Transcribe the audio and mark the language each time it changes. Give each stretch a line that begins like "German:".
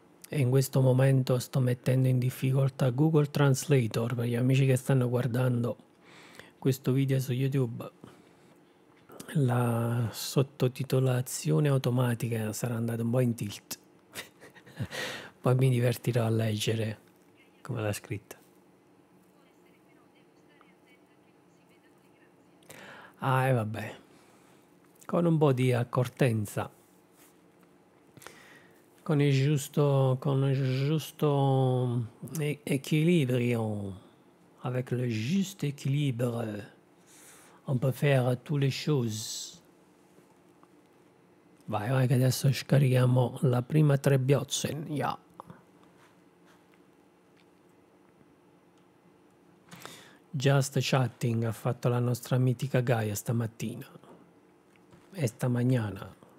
Italian: E in questo momento sto mettendo in difficoltà Google Translator per gli amici che stanno guardando questo video su YouTube. La sottotitolazione automatica sarà andata un po' in tilt. Poi mi divertirò a leggere come l'ha scritta. Ah, e vabbè, con un po' di accortezza, con il giusto, equilibrio,
French: avec le juste équilibre, on peut faire toutes les choses.
Italian: Vai, che adesso scarichiamo la prima trebbiozza, Just Chatting ha fatto la nostra mitica Gaia stamattina. E stamagnana.